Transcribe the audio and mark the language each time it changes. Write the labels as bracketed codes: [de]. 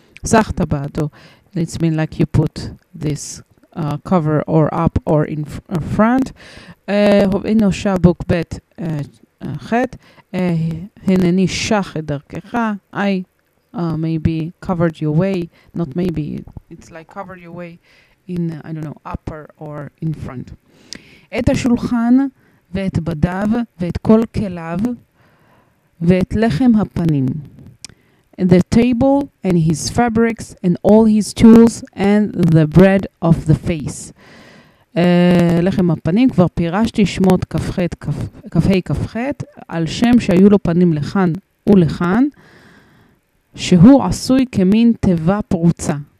[en] Sachta Bado, it's mean like you put this cover or up or in front. In Osha book Bet Chet, [he] Hineni Shach Edarkecha, [en] I maybe covered your way, not maybe, it's like covered your way in, I don't know, upper or in front. [he] את השולחן ואת בדיו ואת כל כליו ואת לחם הפנים. [en] The table and his fabrics and all his tools and the bread of the face. [he] לחם הפנים, כבר פירשתי שמות כ"ח על שם שהיו לו פנים לכאן ולכאן, שהוא עשוי כמין תיבה פרוצה.